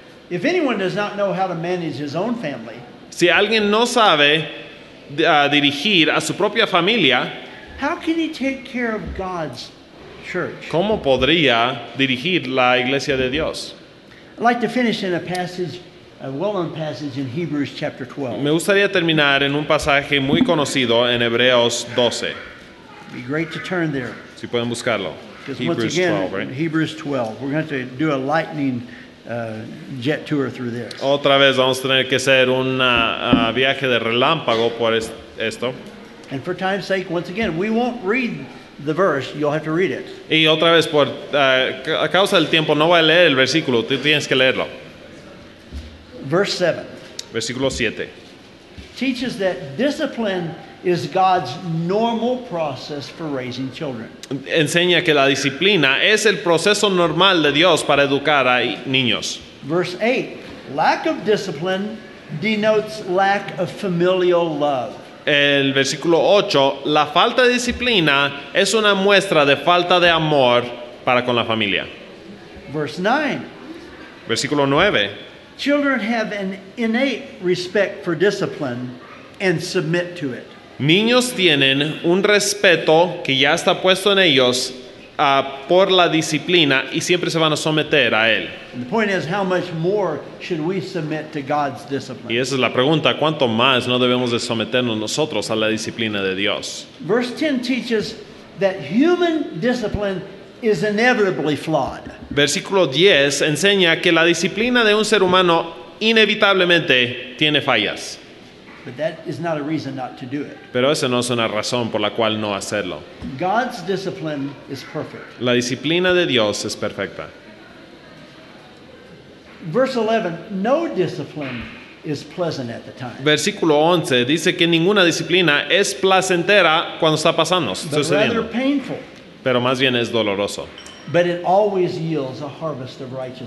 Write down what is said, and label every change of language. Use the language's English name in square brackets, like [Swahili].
[English] If anyone does not know how to manage his own family. [Spanish] Si alguien no sabe dirigir a su propia familia. [English] How can he take care of God's church? [Spanish] ¿Cómo podría dirigir la iglesia de Dios? [English] I'd like to finish in a passage, a well-known passage in Hebrews chapter 12. [Spanish] Me gustaría terminar en un pasaje muy conocido en Hebreos 12. [English] It'd be great to turn there. [Spanish] Si pueden buscarlo. [English] Hebrews 12. We're going to do a lightning jet tour through this. [Spanish] Otra vez vamos a tener que hacer un viaje de relámpago por esto. [English] And for time's sake, once again, we won't read the verse. You'll have to read it. [Spanish] Y otra vez, por a causa del tiempo, no voy a leer el versículo. Tú tienes que leerlo. [English] Verse 7. [Spanish] Versículo 7. [English] Teaches that discipline is God's normal process for raising children. [Spanish] Enseña que la disciplina es el proceso normal de Dios para educar a niños. [English] Verse 8. Lack of discipline denotes lack of familial love. [Spanish] El versículo 8, la falta de disciplina es una muestra de falta de amor para con la familia. [English] Verse 9. [Spanish] Versículo 9. [English] Children have an innate respect for discipline and submit to it. [Spanish] Niños tienen un respeto que ya está puesto en ellos por la disciplina y siempre se van a someter a él. [English] And the point is, how much more should we submit to God's discipline? [Spanish] Y esa es la pregunta, ¿cuánto más no debemos de someternos nosotros a la disciplina de Dios? [English] Verse 10 teaches that human discipline is inevitably flawed. [Spanish] Versículo 10 enseña que la disciplina de un ser humano inevitablemente tiene fallas. [English] But that is not a reason not to do it. [Spanish] Pero esa no es una razón por la cual no hacerlo. [English] God's discipline is perfect. [Spanish] La disciplina de Dios es perfecta. [English] Verse 11, no discipline is pleasant at the time. [Spanish] Versículo 11 dice que ninguna disciplina es placentera cuando está pasando, sucediendo. [English] But rather painful. [Spanish] Pero más bien es doloroso. [English] But it always yields a harvest of righteousness.